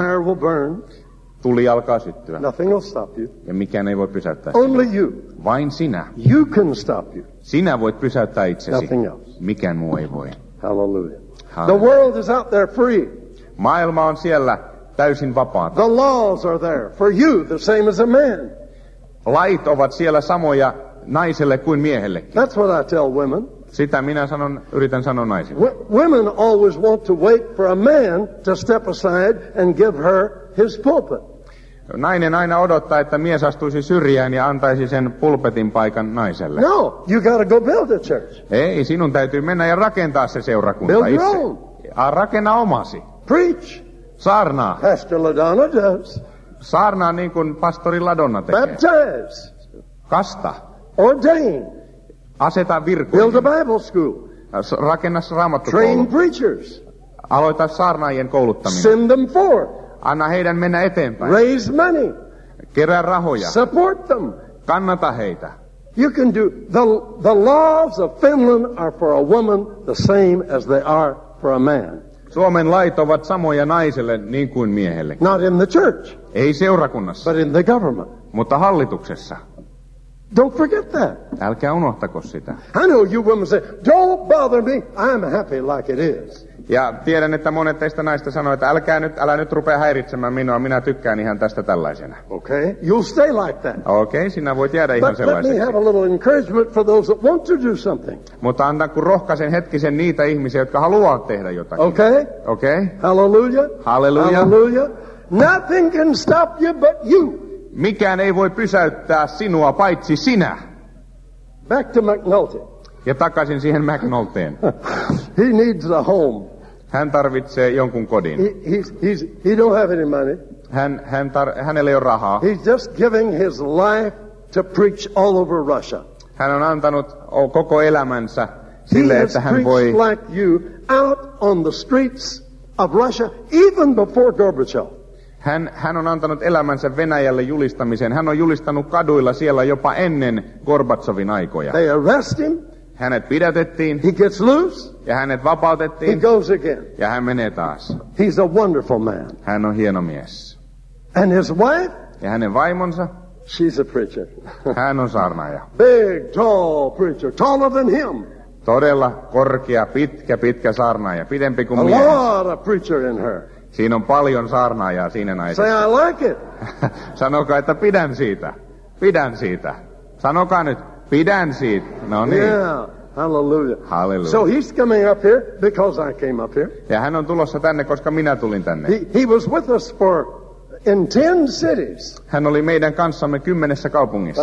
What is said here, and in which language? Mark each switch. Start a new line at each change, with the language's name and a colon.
English: the fire will burn.
Finnish: Tuli alkaa syttyä.
English: Nothing will stop you.
Finnish: Ja mikään ei voi pysäyttää
English: Only
Finnish: sinua.
English: You.
Finnish: Vain sinä.
English: You can stop you.
Finnish: Sinä voit pysäyttää itsesi.
English: Nothing else.
Finnish: Mikään muu ei voi.
English: Hallelujah. The world is out there free.
Finnish: Maailma on siellä täysin vapaata.
English: The laws are there for you, the same as a man.
Finnish: Lait ovat siellä samoja naiselle kuin miehellekin.
English: That's what I tell women.
Finnish: Sitä minä sanon, yritän sanoa naisille.
English: Women always want to wait for a man to step aside and give her his pulpit.
Finnish: Nainen aina odottaa, että mies astuisi syrjään ja antaisi sen pulpetin paikan naiselle.
English: No, you gotta go build a church.
Finnish: Ei, sinun täytyy mennä ja rakentaa se seurakunta
English: build
Finnish: itse.
English: Your own.
Finnish: Rakenna omasi.
English: Preach.
Finnish: Saarnaa.
English: Pastor Ladonna does.
Finnish: Saarnaa niin kuin pastori Ladonna tekee.
English: Baptize.
Finnish: Kasta.
English: Ordain.
Finnish: Aseta virkoihin.
English: Build a Bible school.
Finnish: Rakenna raamattukoulu.
English: Train preachers.
Finnish: Aloita saarnaajien kouluttaminen.
English: Send them forth.
Finnish: Anna heidän mennä eteenpäin.
English: Raise money.
Finnish: Kerää rahoja.
English: Support them.
Finnish: Kannata heitä.
English: You can do the laws of Finland are for a woman the same as they are for a man.
Finnish: Suomen lait ovat samoja naiselle niin kuin miehelle.
English: Not in the church.
Finnish: Ei seurakunnassa.
English: But in the government.
Finnish: Mutta hallituksessa.
English: Don't forget that.
Finnish: Älkää unohtako sitä.
English: I know you women say, don't bother me, I'm happy like it is.
Finnish: Ja tiedän, että monet teistä naista sanoo, että älä nyt rupea häiritsemään minua, minä tykkään ihan tästä tällaisena.
English: Okay, you'll stay like that.
Finnish: Okay, sinä voit jäädä ihan sellaiseksi.
English: But let me have a little encouragement for those that want to do something.
Finnish: Mutta anna kun rohkaisen hetkisen niitä ihmisiä, jotka haluaa tehdä jotakin.
English: Okay. Okay. Hallelujah. Hallelujah. Hallelujah. Nothing can stop you but you.
Finnish: Mikään ei voi pysäyttää sinua paitsi sinä.
English: Back to McNulty.
Finnish: Ja takaisin siihen McNulteen.
English: He needs a home.
Finnish: Hän tarvitsee jonkun kodin.
English: He don't have any money.
Finnish: Hänellä ei ole rahaa.
English: He's just giving his life to preach all over Russia.
Finnish: Hän on antanut koko elämänsä sille,
English: he
Finnish: että hän voi.
English: He's like you out on the streets of Russia even before Gorbachev.
Finnish: Hän on antanut elämänsä Venäjälle julistamiseen. Hän on julistanut kaduilla siellä jopa ennen Gorbatsovin aikoja.
English: They arrest him.
Finnish: Hänet pidätettiin.
English: He gets loose.
Finnish: Ja hänet vapautettiin.
English: He goes again.
Finnish: Ja hän menee taas.
English: He's a wonderful man.
Finnish: Hän on hieno mies.
English: And his wife?
Finnish: Ja hänen vaimonsa?
English: She's a preacher.
Finnish: Hän on saarnaaja.
English: Big, tall preacher. Taller than him.
Finnish: Todella korkea, pitkä, pitkä saarnaaja. Pidempi kuin mies.
English: A lot of preacher in her.
Finnish: Siinä on paljon saarnaajaa siinä naisessa.
English: Say I like it.
Finnish: Sanokaa, että pidän siitä. Pidän siitä. Sanokaa nyt, pidän siitä. No niin.
English: Yeah, hallelujah. Hallelujah. So he's coming up here because I came up here.
Finnish: Ja hän on tulossa tänne, koska minä tulin tänne.
English: He was with us for in 10 cities.
Finnish: Hän oli meidän kanssamme 10 kaupungissa.